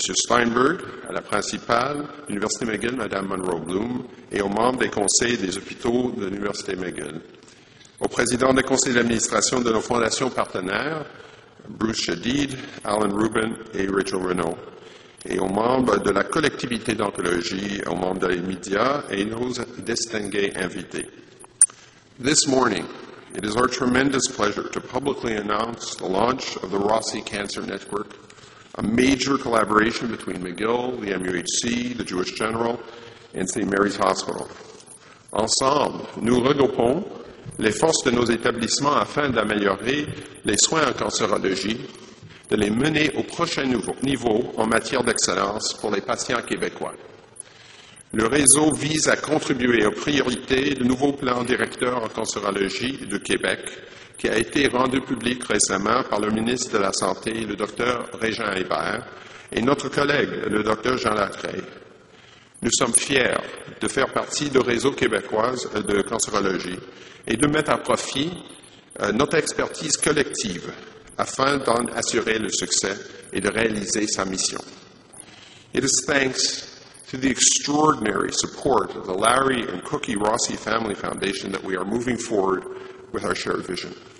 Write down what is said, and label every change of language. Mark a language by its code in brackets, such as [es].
[fr] Steinberg, à la principale de l'Université McGill, Mme Monroe Bloom, et aux membres des conseils des hôpitaux de l'Université McGill, au président des conseils d'administration de nos fondations partenaires, Bruce Shadid, Alan Rubin et Rachel Renault, et aux membres de la collectivité d'oncologie, aux membres des médias et nos distingués invités. [en] This morning, it is our tremendous pleasure to publicly announce the launch of the Rossi Cancer Network, a major collaboration between McGill, the MUHC, the Jewish General, and St. Mary's Hospital. [fr] Ensemble, nous regroupons les forces de nos établissements afin d'améliorer les soins en cancérologie, de les mener au prochain niveau en matière d'excellence pour les patients québécois. Le réseau vise à contribuer aux priorités du nouveau plan directeur en cancérologie de Québec, qui a été rendu public récemment par le ministre de la Santé, le Dr. Régent Hébert, et notre collègue, le Dr. Jean Latreille. Nous sommes fiers de faire partie du réseau québécois de cancérologie et de mettre à profit notre expertise collective afin d'en assurer le succès et de réaliser sa mission. [en] It is thanks to the extraordinary support of the Larry and Cookie Rossi Family Foundation that we are moving forward with our shared vision.